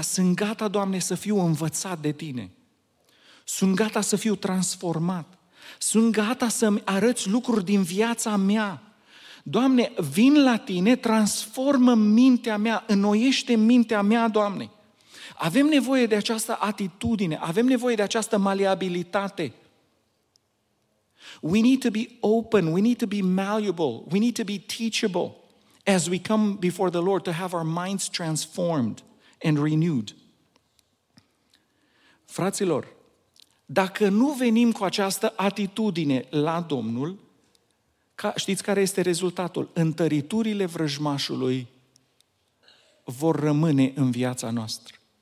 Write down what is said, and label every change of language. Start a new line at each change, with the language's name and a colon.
Romanian: Sunt gata, Doamne, să fiu învățat de Tine. Sunt gata să fiu transformat. Sunt gata să-mi arăți lucruri din viața mea. Doamne, vin la Tine, transformă mintea mea, înnoiește mintea mea, Doamne. Avem nevoie de această atitudine, avem nevoie de această maleabilitate.
English: We need to be open, we need to be malleable, we need to be teachable as we come before the Lord to have our minds transformed and renewed.
Romanian: Fraților, dacă nu venim cu această atitudine la Domnul, știți care este rezultatul? Întăriturile vrăjmașului vor rămâne în viața noastră.